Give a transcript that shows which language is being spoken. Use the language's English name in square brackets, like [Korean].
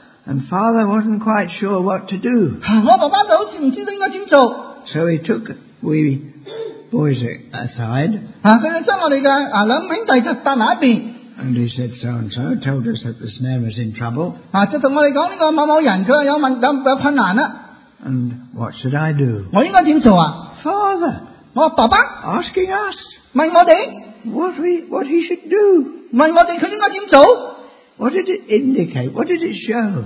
[English] And father wasn't quite sure what to do. So we boys aside. [Chinese] 他们将我们的两兄弟就搭在一边。 [English] And he said, so and so told us that this man was in trouble. [Chinese] 就跟我们说这个某某人他有困难。 [English] And what should I do? [Chinese] 我应该怎么做啊? [English] Father, [Chinese] 我爸爸, [English] asking us, [Chinese] 问我们, [English] what he should do. [Chinese] 问我们他应该怎么做? [English] What did it indicate? What did it show?